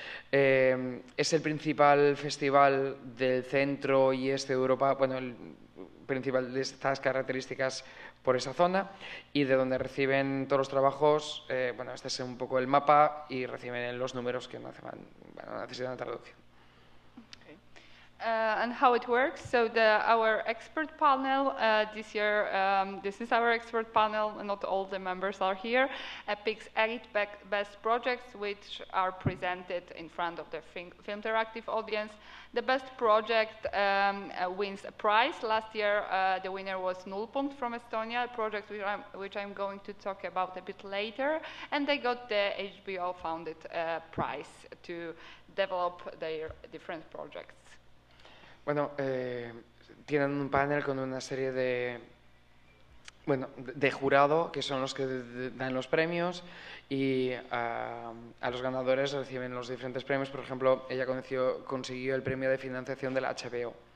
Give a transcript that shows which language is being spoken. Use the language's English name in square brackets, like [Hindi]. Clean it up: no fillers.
[Spanish] Es el principal festival del centro y este de Europa, bueno, el principal de estas características por esa zona y de donde reciben todos los trabajos, bueno, este es un poco el mapa y reciben los números que necesitan la traducción. [English] And how it works. So our expert panel this year, this is our expert panel, not all the members are here, picks 8 best projects which are presented in front of the Film Interactive audience. The best project wins a prize. Last year the winner was Nullpunkt from Estonia, a project which I'm going to talk about a bit later, and they got the HBO founded prize to develop their different projects. [Spanish] Bueno, tienen un panel con una serie de, bueno, de jurado, que son los que dan los premios, y a los ganadores reciben los diferentes premios. Por ejemplo, ella consiguió el premio de financiación de la HBO.